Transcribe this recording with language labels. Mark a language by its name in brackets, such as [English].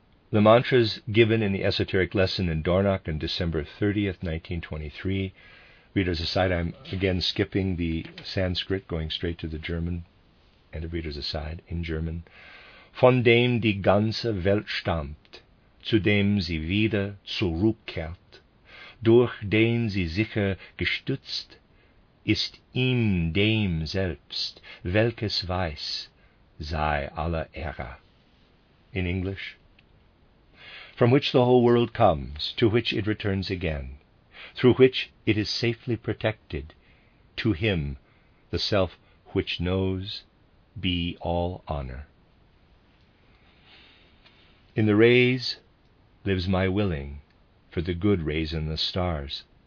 [English] The mantras given in the esoteric lesson in Dornach on December 30th, 1923. Readers aside, I'm again skipping the Sanskrit, going straight to the German. And the readers aside, in German. [German] Von dem die ganze Welt stammt, zu dem sie wieder zurückkehrt, durch den sie sicher gestützt, ist ihm dem selbst, welches weiß, sei aller Ehre. [English] In English. From which the whole world comes, to which it returns again, through which it is safely protected, to him, the self which knows, be all honor. In the rays lives my willing, for the good rays in the stars.